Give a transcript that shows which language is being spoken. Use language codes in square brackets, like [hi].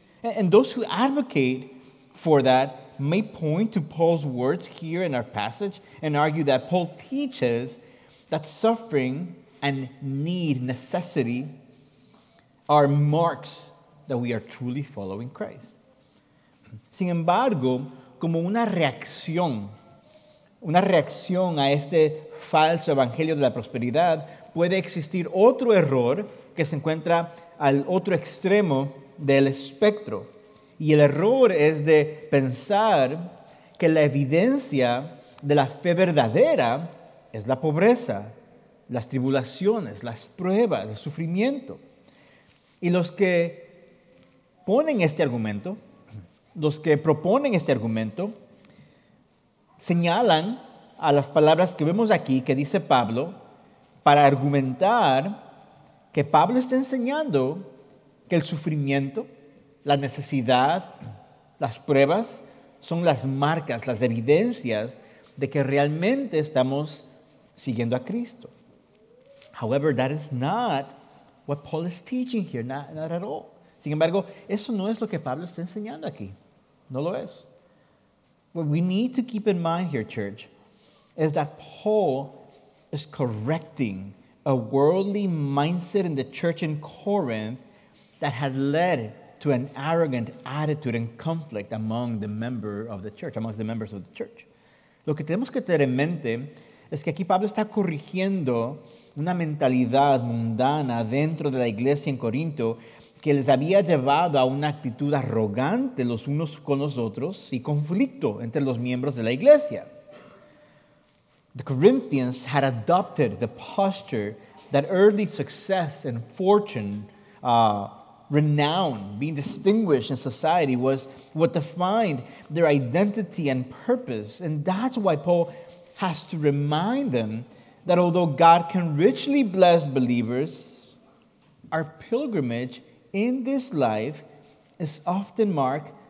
[en] And those who advocate for that may point to Paul's words here in our passage and argue that Paul teaches that suffering and need, necessity, are marks that we are truly following Christ. [es] Sin embargo, como una reacción a este falso evangelio de la prosperidad, puede existir otro error que se encuentra al otro extremo del espectro. Y el error es de pensar que la evidencia de la fe verdadera es la pobreza, las tribulaciones, las pruebas, el sufrimiento. Y los que ponen este argumento, los que proponen este argumento, señalan a las palabras que vemos aquí, que dice Pablo, para argumentar que Pablo está enseñando que el sufrimiento, la necesidad, las pruebas son las marcas, las evidencias de que realmente estamos siguiendo a Cristo. [en] However, that is not what Paul is teaching here, not at all. [es] Sin embargo, eso no es lo que Pablo está enseñando aquí. No lo es. [en] What we need to keep in mind here, church, is that Paul is correcting a worldly mindset in the church in Corinth that had led to an arrogant attitude and conflict among the member of the church, amongst the members of the church. [es] Lo que tenemos que tener en mente es que aquí Pablo está corrigiendo una mentalidad mundana dentro de la iglesia en Corinto que les había llevado a una actitud arrogante los unos con los otros y conflicto entre los miembros de la iglesia. [en] The Corinthians had adopted the posture that early success and fortune, renown, being distinguished in society, was what defined their identity and purpose. And that's why Paul has to remind them that although God can richly bless believers, our pilgrimage in this life is often marked